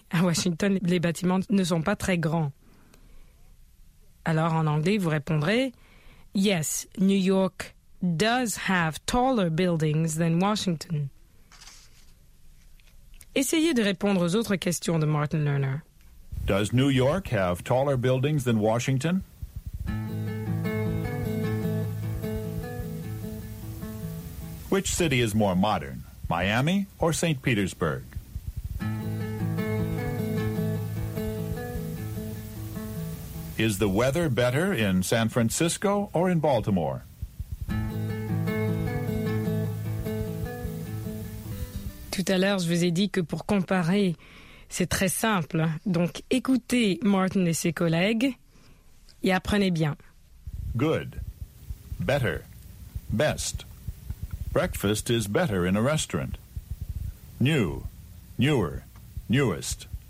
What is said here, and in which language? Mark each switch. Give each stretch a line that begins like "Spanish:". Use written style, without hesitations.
French: À Washington, les bâtiments ne sont pas très grands. Alors, en anglais, vous répondrez,
English: yes, New York does have taller buildings than Washington.
French: Essayez de répondre aux autres questions de Martin Lerner.
English: Does New York have taller buildings than Washington? Which city is more modern, Miami or St. Petersburg? Is the weather better in San Francisco or in Baltimore?
French: Tout à l'heure, je vous ai dit que pour comparer, c'est très simple. Donc, écoutez Martin et ses collègues et apprenez bien.
English: Good. Better. Best. Breakfast is better in a restaurant. New. Newer. Newest.